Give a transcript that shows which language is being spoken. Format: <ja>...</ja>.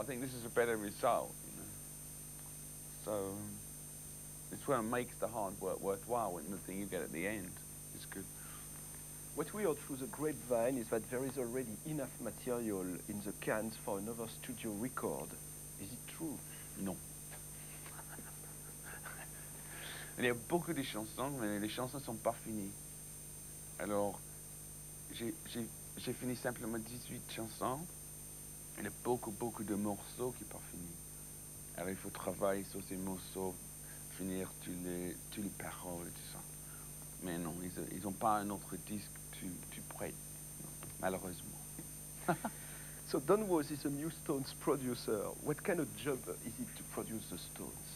<en>I think this is a better result, you know. So it's what makes the hard work worthwhile, and the thing you get at the end is good. What we heard through the grapevine is that there is already enough material in the cans for another studio record. Is it true? No.</en> <fr>Il y a beaucoup de chansons, mais les chansons sont pas finies. Alors, j'ai fini simplement 18 chansons. Il y a beaucoup, beaucoup de morceaux qui n'ont pas fini. Alors il faut travailler sur ces morceaux, finir toutes les paroles et tout ça. Mais non, ils n'ont pas un autre disque tu prêtes, malheureusement.</fr> <en>So Don Was is a new Stones producer. What kind of job is it to produce the Stones?</en>